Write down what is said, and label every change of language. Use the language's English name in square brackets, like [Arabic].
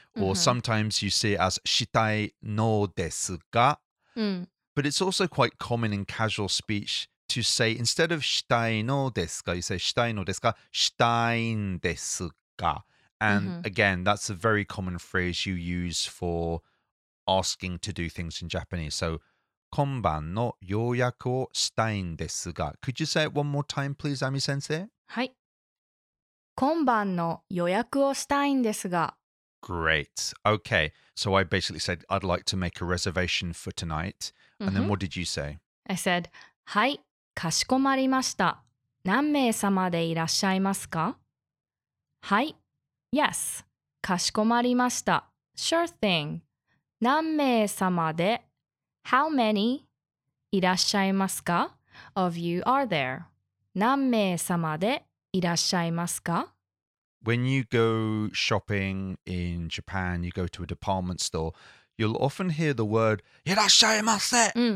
[English] Or sometimes you see it as [Japanese] したいのですが. [English] But it's also quite common in casual speech to say, instead of [Japanese] したいのですか, [English] you say [Japanese] したいのですか, したいんですが. [English] And again, that's a very common phrase you use for asking to do things in Japanese. So, [Japanese] 今晩の予約をしたいんですが. [English] Could you say it one more time, please, Ami-sensei? [Japanese] はい。今晩の予約をしたいんですが。 [English] Great. Okay. So I basically said, I'd like to make a reservation for tonight. And then what did you say? I said, [Japanese] はい、かしこまりました。何名様でいらっしゃいますか? はい。 [English] Yes. [Japanese] かしこまりました。 [English] Sure thing. [Japanese] 何名様で [English] How many [Japanese] いらっしゃいますか? [English] Of you are there. [Japanese] 何名様でいらっしゃいますか? [English] When you go shopping in Japan, you go to a department store, you'll often hear the word, [Japanese] いらっしゃいませ!